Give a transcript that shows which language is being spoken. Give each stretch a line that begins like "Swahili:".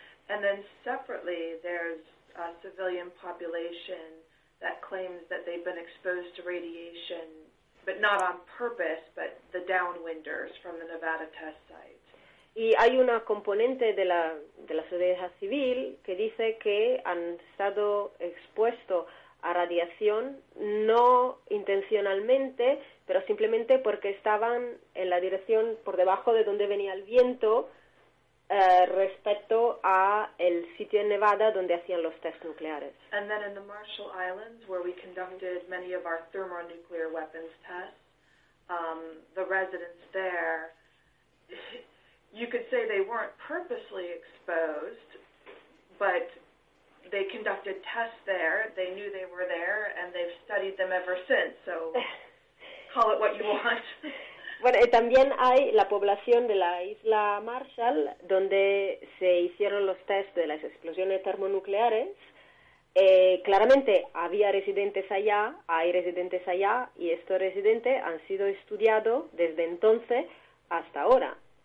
English: And then separately, there's a civilian population that claims that they've been exposed to radiation, but not on purpose, but the downwinders from the Nevada test site.
Spanish: Y hay una componente de la sociedad civil que dice que han estado expuestos a radiación no intencionalmente, pero simplemente porque estaban en la dirección por debajo de donde venía el viento respecto a el sitio en Nevada donde hacían los test nucleares.
English: And then in the Marshall Islands, where we conducted many of our thermonuclear weapons tests, the residents there... You could say they weren't purposely exposed, but they conducted tests there, they knew they were there, and they've studied them ever since, so call it what you want.
Spanish: Bueno, también hay la población de la isla Marshall, donde se hicieron los tests de las explosiones termonucleares. Claramente había residentes allá, hay residentes allá, y estos residentes han sido estudiados desde entonces hasta ahora.